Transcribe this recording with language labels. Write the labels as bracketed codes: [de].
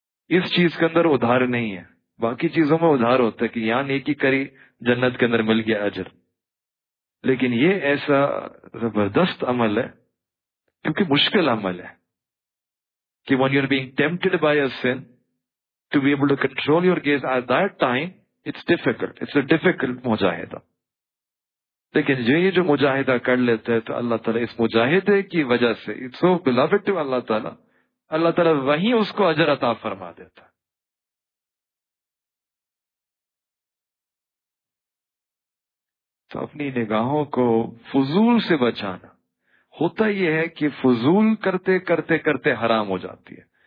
[ur] اس چیز کے اندر ادھار نہیں ہے, باقی چیزوں میں ادھار ہوتا ہے کہ یہاں نیکی کری جنت کے اندر مل گیا اجر, لیکن یہ ایسا زبردست عمل ہے کیونکہ مشکل عمل ہے کہ [en] when you're being tempted by a sin to be able to control your gaze at that time, it's difficult. It's a difficult mujahida. [ur] لیکن یہ جو مجاہدہ کر لیتا ہے تو اللہ تعالیٰ اس مجاہدے کی وجہ سے [en] it's so beloved to [ur] اللہ تعالیٰ، اللہ تعالیٰ وہیں اس کو اجر عطا فرما دیتا ہے. تو اپنی نگاہوں کو فضول سے بچانا، ہوتا یہ ہے کہ فضول کرتے کرتے کرتے حرام ہو جاتی ہے.